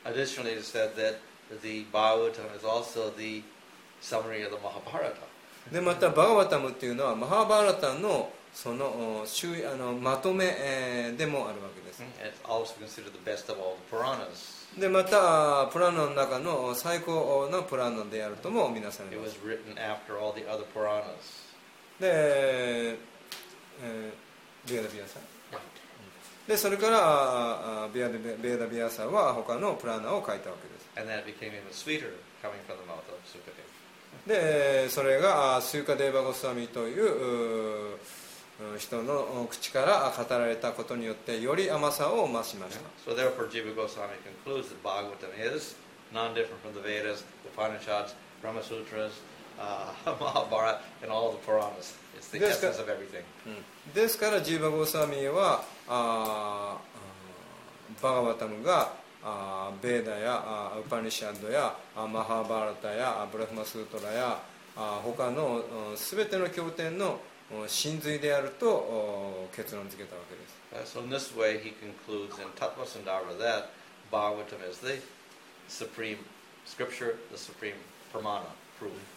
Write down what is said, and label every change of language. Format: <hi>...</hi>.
<en>Additionally, it said that the Bhagavatam is also the summary of the Mahabharata.</en> <ja>で、またバガバタムというのはマハバラタのその周囲まとめでもあるわけです。</ja> <en>It's also considered the best of all the Puranas.</en> <ja>でまたプラナの中の最高のプラナであるとも見なされます。</ja> <en>It was after all the other Puranas.</en> <ja>で、ビアダビアサ。でそれからビアダビアサは他のプラナを書いたわけです。</ja> <en>And that became even sweeter coming from the mouth of Sukadeva.</en> <ja>でそれがスーカデーバゴスワミという人の口から語られたことによってより甘さを増しました。</ja> <en>So therefore, Jiva Goswami concludes that Bhagavatam is non-different from the Vedas, Upanishads, Brahma Sutras, Mahabharata, and all the Puranas. It's the essence of everything.</en> <ja>ですから、Jiva Goswami は、バガバタムがベーダやウパニシャッドやマハーバラタやブラフマスートラや他の全ての経典の真髄であると結論付けたわけです。</ja> <en>So in this way he concludes in Tattvasandarbha that Bhagavatam is the supreme scripture, the supreme pramana, proof.</en>